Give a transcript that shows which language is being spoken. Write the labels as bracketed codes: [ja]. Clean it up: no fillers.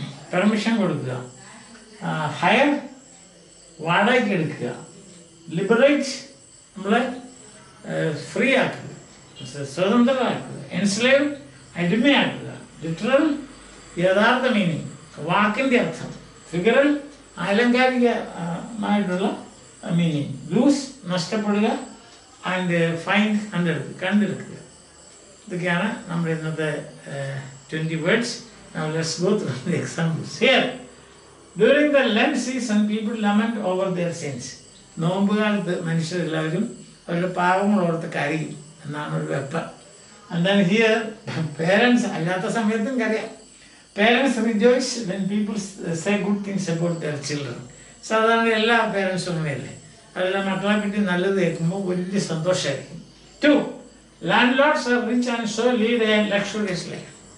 [ml] Permission കൊടുക്കുക, higher വാടകയ്ക്ക് എടുക്കുക, ലിബറേറ്റ് നമ്മളെ ഫ്രീ ആക്കുക, സ്വതന്ത്രമാക്കുക, എൻസ്ലേവ് അടിമയാക്കുക, ലിറ്ററൽ യഥാർത്ഥ മീനിങ് വാക്കിൻ്റെ അർത്ഥം, ഫിഗറൽ ആലങ്കാരികമായിട്ടുള്ള മീനിങ്, ലൂസ് നഷ്ടപ്പെടുക, ആൻഡ് ഫൈൻ കണ്ടെടുക്കുക കണ്ടെടുക്കുക. ഇതൊക്കെയാണ് നമ്മുടെ ഇന്നത്തെ [en] 20 words. Now let's go through the examples. Here, during the Lent season, people lament over their sins. [ml] നോമ്പുകാലത്ത് മനുഷ്യർ എല്ലാവരും അവരുടെ പാപങ്ങളോർത്ത് കരയും എന്നാണ് ഒരു വെപ്പം. [en] And then here, parents, [ml] അല്ലാത്ത സമയത്തും കരയാം. [en] Parents rejoice when people say good things about their children. [ml] സാധാരണ എല്ലാ പേരൻസും അങ്ങനെയല്ലേ. അവരുടെ മക്കളെ പറ്റി നല്ലത് കേൾക്കുമ്പോൾ വലിയ സന്തോഷമായിരിക്കും. [en] Two, landlords are rich and so lead a luxurious life.